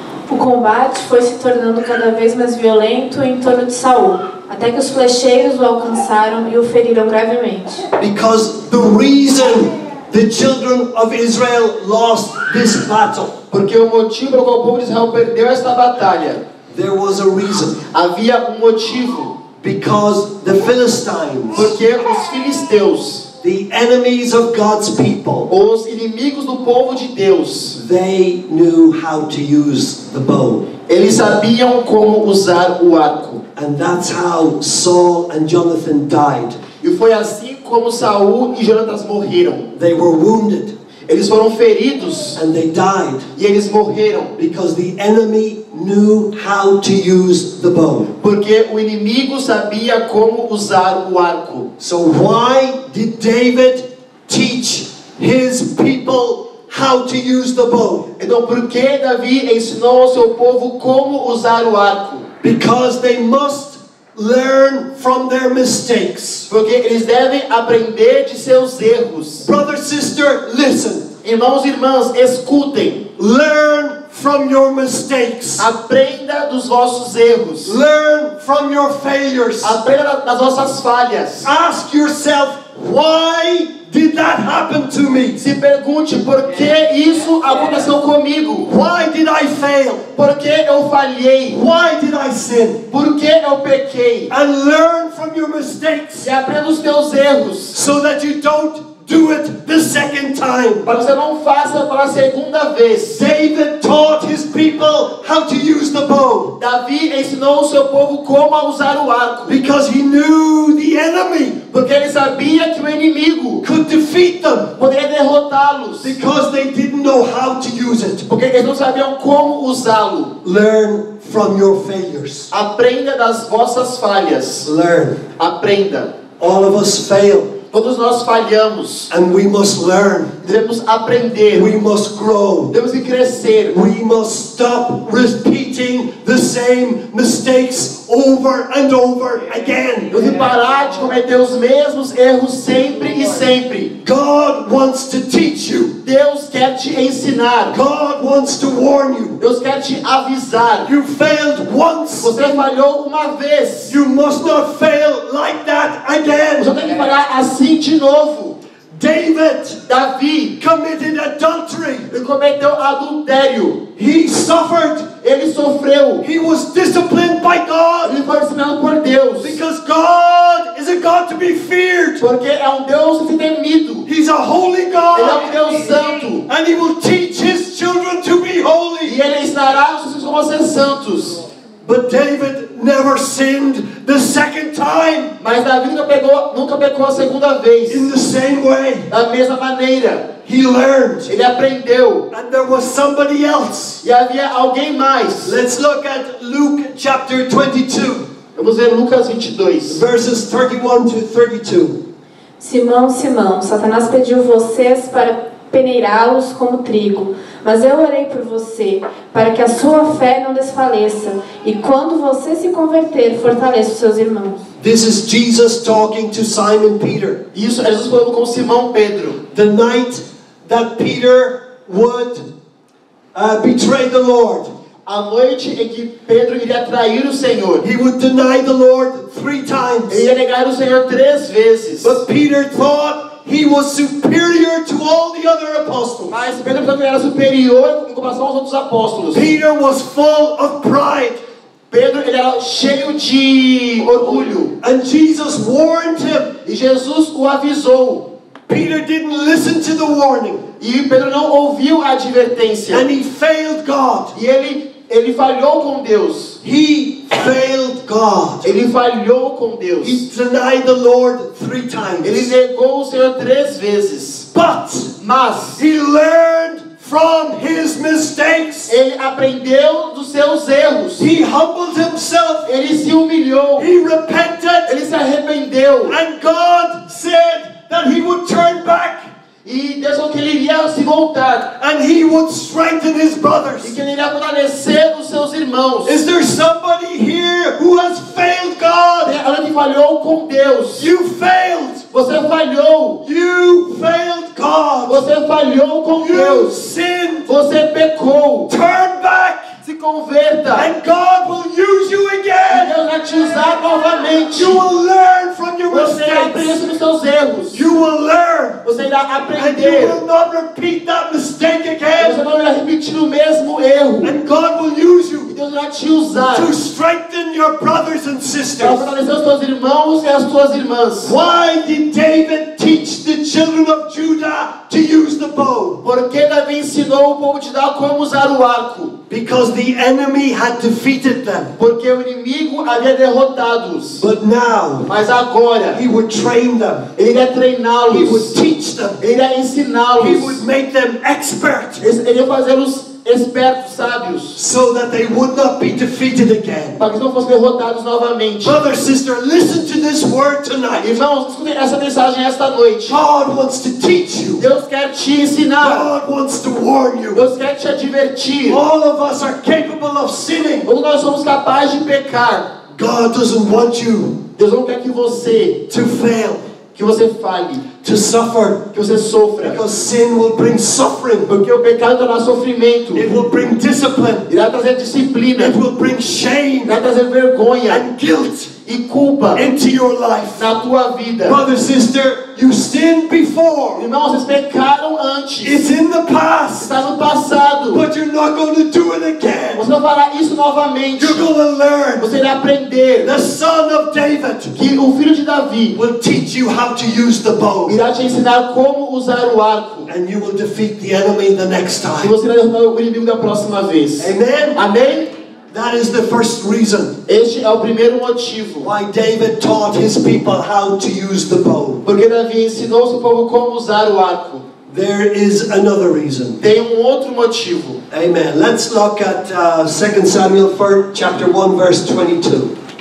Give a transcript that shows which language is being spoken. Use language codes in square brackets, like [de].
[pt] O combate foi se tornando cada vez mais violento em torno de Saul, até que os flecheiros o alcançaram e o feriram gravemente. [en] Because the reason the children of Israel lost this battle. [pt] Porque o motivo pelo qual o povo de Israel perdeu esta batalha. [en] There was a reason. [pt] Havia um motivo. [en] Because the Philistines, [pt] porque os filisteus, [en] the enemies of God's people, [pt] os inimigos do povo de Deus, [en] they knew how to use the bow. [pt] Eles sabiam como usar o arco. [en] And that's how Saul and Jonathan died. [pt] E foi assim como Saul e Jonatas morreram. [en] They were wounded. [pt] Eles foram feridos. [en] And they died. [pt] E eles morreram. [en] Because the enemy knew how to use the bow. [pt] Porque o inimigo sabia como usar o arco. [en] So why did David teach his people how to use the bow? [pt] Então por que Davi ensinou ao seu povo como usar o arco? [en] Because they must learn from their mistakes. [pt] Porque eles devem aprender de seus erros. [en] Brother, sister, listen. [pt] Irmãos e irmãs, escutem. [en] Learn from your mistakes. [pt] Aprenda dos vossos erros. [en] Learn from your failures. [pt] Aprenda das vossas falhas. [en] Ask yourself, why did that happen to me? [pt] Se pergunte por que isso aconteceu comigo. [en] Why did I fail? [pt] Por que eu falhei? [en] Why did I sin? [pt] Por que eu pequei? [en] And learn from your mistakes. [pt] E aprenda os teus erros. [en] So that you don't do it the second time. [pt] Para você não faça pela segunda vez. [en] David taught his people how to use the bow. [pt] Davi ensinou seu povo como usar o arco. [en] Because he knew the enemy. [pt] Porque ele sabia que o inimigo [en] could defeat them. [pt] Poderia derrotá-los. [en] Because they didn't know how to use it. [pt] Porque eles não sabiam como usá-lo. [en] Learn from your failures. [pt] Aprenda das vossas falhas. [en] Learn. [pt] Aprenda. [en] All of us fail. [pt] Todos nós falhamos. [en] And we must learn. [pt] Devemos aprender. [en] We must grow. [pt] Devemos crescer. [en] We must stop repeating the same mistakes over and over again. [pt] Devemos parar de cometer os mesmos erros sempre e sempre. [en] God wants to teach you. [pt] Deus quer te ensinar. [en] God wants to warn you. [pt] Deus quer te avisar. [en] You failed once. [pt] Você falhou uma vez. [en] You must not fail like that again. [pt] Você tem que parar assim de novo. [en] David, [pt] Davi, [en] committed adultery. [pt] Ele cometeu adultério. [en] He suffered. [pt] Ele sofreu. [en] He was disciplined by God. [pt] Ele foi disciplinado por Deus. [en] Because God is a God to be feared. [pt] Porque é um Deus a ser temido. [en] He's a holy God. [pt] Ele é um Deus santo. [en] And he will teach his children to be holy. [pt] E ele ensinará os seus filhos a serem santos. [en] But David never sinned the second time. [pt] Mas Davi nunca pecou a segunda vez. [en] In the same way. [pt] Da mesma maneira. [en] He learned. [pt] Ele aprendeu. [en] And there was somebody else. [pt] E havia alguém mais. [en] Let's look at Luke chapter 22. [pt] Vamos ver Lucas 22. [en] Verses 31 to 32. [pt] Simão, Simão, Satanás pediu vocês para peneirá-los como trigo. Mas eu orei por você, para que a sua fé não desfaleça. E quando você se converter, fortaleça os seus irmãos. [en] This is Jesus talking to Simon Peter. [pt] Isso é Jesus falando com Simão Pedro. [en] The night that Peter would betray the Lord. [pt] A noite em que Pedro iria trair o Senhor. [en] He would deny the Lord three times. [pt] Ele ia negar o Senhor três vezes. [en] But Peter thought he was superior to all the other apostles. [pt] Mas Pedro também era superior em comparação aos outros apóstolos. [en] Peter was full of pride. [pt] Pedro ele era cheio de orgulho. [en] And Jesus warned him. [pt] E Jesus o avisou. [en] Peter didn't listen to the warning. [pt] E Pedro não ouviu a advertência. [en] And he failed God. [pt] E ele falhou com Deus. [en] He failed God. [pt] Ele falhou com Deus. [en] He denied the Lord three times. [pt] Ele negou o Senhor três vezes. [en] But, [pt] mas, [en] he learned from his mistakes. [pt] Ele aprendeu dos seus erros. [en] He humbled himself. [pt] Ele se humilhou. [en] He repented. [pt] Ele se arrependeu. [en] And God said that he would turn back. [pt] E Deus falou que ele iria se voltar. [en] And he would strengthen his brothers. [pt] E que ele iria fortalecer os seus irmãos. [en] Is there somebody here who has failed God? [pt] Tem alguém que falhou com Deus? [en] You failed. [pt] Você falhou. [en] You failed God. [pt] Você falhou com [en] you [pt] Deus. [en] You sinned. [pt] Você pecou. [en] Turn back. [pt] Se converta. [en] And God will use you again. [pt] E Deus vai te usar novamente. [en] You will learn from your [pt] você [en] mistakes. [pt] Aprende dos seus erros. [en] You will learn. [pt] Você irá aprender. [en] And you will not repeat that mistake again. [pt] Você não irá repetir o mesmo erro. [en] And God will use you. [pt] E Deus vai te usar. [en] To strengthen your brothers and sisters. [pt] Para fortalecer os seus irmãos e as suas irmãs. [en] Why did David teach the children of Judah to use the bow? [pt] Porque Davi ensinou o povo de Judá como usar o arco. [en] Because the enemy had defeated them. [pt] Porque o inimigo havia derrotado-os. [en] But now, [pt] mas agora, [en] he would train them. [pt] Ele ia treiná-los. [en] He would teach them. [pt] Ele ia ensiná-los. [en] He would make them expert. [pt] Ele ia fazê-los espertos, sábios. [en] So that they would not be defeated again. [pt] Para que não fossem derrotados novamente. [en] Brother, sister, listen to this word tonight. [pt] Irmãos, escutem essa mensagem esta noite. [en] God wants to teach you. [pt] Deus quer te ensinar. [en] God wants to warn you. [pt] Deus quer te advertir. [en] All of us are capable of sinning. [pt] Todos nós somos capazes de pecar. [en] God doesn't want you. [pt] Deus não quer que você [en] to fail. [pt] Que você fale. [en] To suffer. [pt] Que você sofra. [en] Because sin will bring suffering. [pt] Porque o pecado trará sofrimento. [en] It will bring discipline. [pt] Irá trazer disciplina. [en] It will bring shame. [pt] Irá trazer vergonha. [en] And guilt. [pt] E culpa. [en] Into your life. [pt] Na tua vida. [en] Brother, sister, you sinned before. [pt] Irmãos, vocês pecaram antes. [en] It's in the past. [pt] Está no passado. [en] But you're not going to do it again. [pt] Você não fará isso novamente. [en] You're going to learn. [pt] Você irá aprender. [en] The son of David. [pt] Que o filho de Davi. [en] Will teach you how to use the bow. [pt] Irá te ensinar como usar o arco. [en] And you will defeat the enemy the next time. [pt] E você irá derrotar o inimigo da próxima vez. [en] Amen. [pt] Amém. [en] That is the first reason. [pt] Este é o primeiro motivo. [en] Why David taught his people how to use the bow. [pt] Porque Davi ensinou seu povo como usar o arco. [en] There is another reason. [pt] Tem outro motivo. [en] Amen. Let's look at 2 Samuel 4, chapter 1, verse 22.